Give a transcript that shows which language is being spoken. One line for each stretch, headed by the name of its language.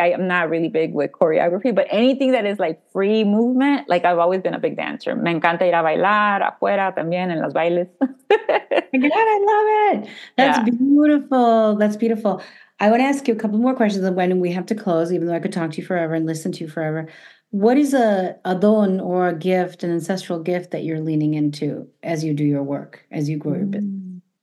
English: I am not really big with choreography, but anything that is like free movement, like I've always been a big dancer.
Spanish: Me encanta ir a bailar afuera también en los bailes.
English: God, I love it. That's beautiful. That's beautiful. I want to ask you a couple more questions when we have to close, even though I could talk to you forever and listen to you forever. What is a don or a gift, an ancestral gift that you're leaning into as you do your work, as you grow your business?